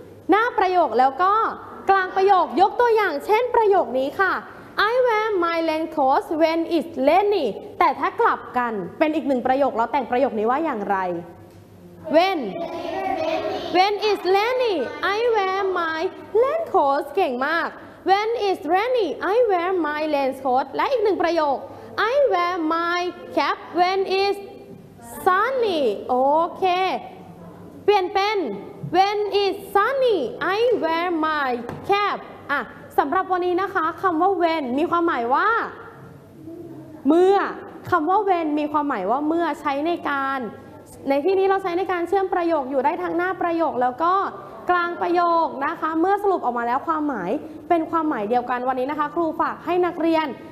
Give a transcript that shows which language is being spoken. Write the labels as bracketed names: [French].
[Thai] หน้าประโยคแล้วก็กลางประโยคยกตัวอย่างเช่นประโยคนี้ค่ะ [English] I wear my raincoat when it's rainy [Thai] แต่ถ้ากลับกันเป็นอีกหนึ่งประโยคเราแต่งประโยคนี้ว่าอย่างไร [English] When it's rainy I wear my raincoat [Thai] เก่งมาก When it's rainy [English] I wear my raincoat และอีกหนึ่งประโยค I wear my cap when it's sunny [Thai] โอเคเปลี่ยนเป็น [English] When it's sunny, I wear my cap. [Thai] อ่ะสำหรับวันนี้นะคะคำว่า when มีความหมายว่าเมื่อคำว่า when มีความหมายว่าเมื่อใช้ในการในที่นี้เราใช้ในการเชื่อมประโยคอยู่ได้ทั้งหน้าประโยคแล้วก็กลางประโยคนะคะเมื่อสรุปออกมาแล้วความหมายเป็นความหมายเดียวกันวันนี้นะคะครูฝากให้นักเรียน